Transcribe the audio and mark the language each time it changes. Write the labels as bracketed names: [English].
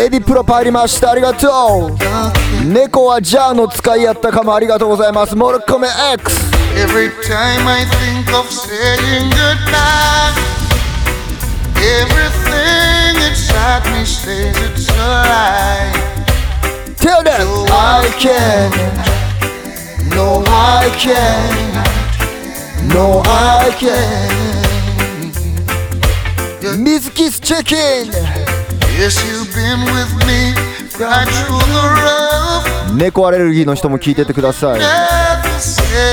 [Japanese] エビプロパ入りました、ありがとう。猫はジャーの使いやったかも、ありがとうございます。モルコメ X! [English] Every time I think of saying goodbye, everything inside me says it's a lie. Tell them! So I can't. No, I can'tNo, I can't. Mizuki's chicken. Yes, you've been with me right through the rough. [Japanese] 猫アレルギーの人も聞いててください。